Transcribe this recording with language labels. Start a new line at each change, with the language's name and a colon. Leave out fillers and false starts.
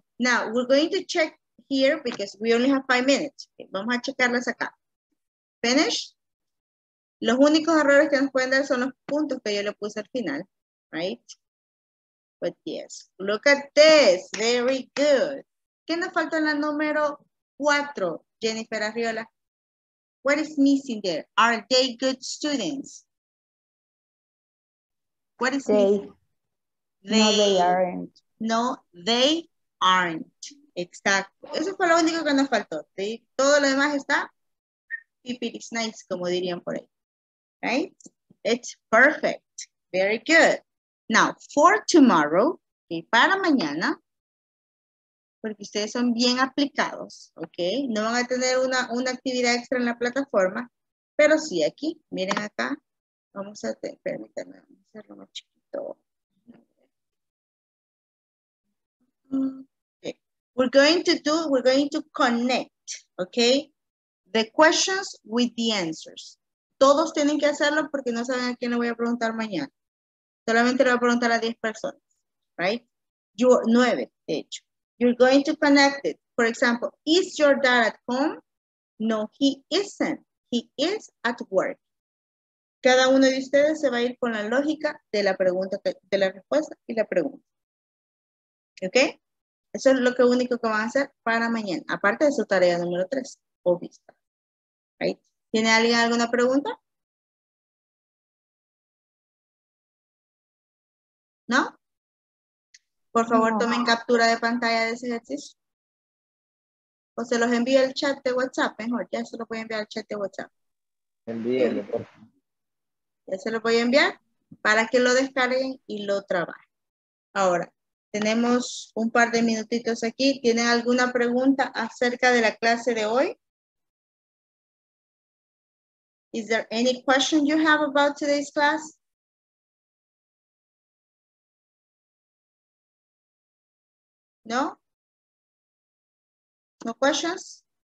English: Now, we're going to check here because we only have 5 minutes.
Spanish: Vamos a checarlas acá.
English: Finish.
Spanish: Los únicos errores que nos pueden dar son los puntos que yo le puse al final.
English: Right? But yes. Look at this. Very good.
Spanish: ¿Qué nos falta en la número 4, Jennifer Arriola?
English: What is missing there? Are they good students? What is missing? They. No, they aren't. No, they aren't.
Spanish: Exacto. Eso fue lo único que nos faltó. ¿Sí? Todo lo demás está pipir is nice, como dirían por ahí.
English: Right? It's perfect. Very good. Now, for tomorrow, ¿sí?
Spanish: Para mañana, porque ustedes son bien aplicados, ¿ok? No van a tener una actividad extra en la plataforma, pero sí aquí, miren acá, vamos a permítanme hacerlo más chiquito.
English: Okay. We're going to connect, okay, the questions with the answers.
Spanish: Todos tienen que hacerlo porque no saben a quién le voy a preguntar mañana. Solamente le voy a preguntar a 10 personas, right? You 9, de hecho.
English: You're going to connect it. For example, is your dad at home? No, he isn't. He is at work.
Spanish: Cada uno de ustedes se va a ir con la lógica de la pregunta, de la respuesta y la pregunta. ¿Ok? Eso es lo único que van a hacer para mañana. Aparte de su tarea número 3. Obvio. Right. ¿Tiene alguien alguna pregunta? ¿No? Por favor, no. Tomen captura de pantalla de ese ejercicio. O se los envío al chat de WhatsApp. Mejor, ya se los voy a enviar al chat de WhatsApp. Envíenlo, por favor. Ya se los voy a enviar para que lo descarguen y lo trabajen. Ahora. Tenemos un par de minutitos aquí. ¿Tienen alguna pregunta acerca de la clase de hoy?
English: Is there any question you have about today's class? No? No questions?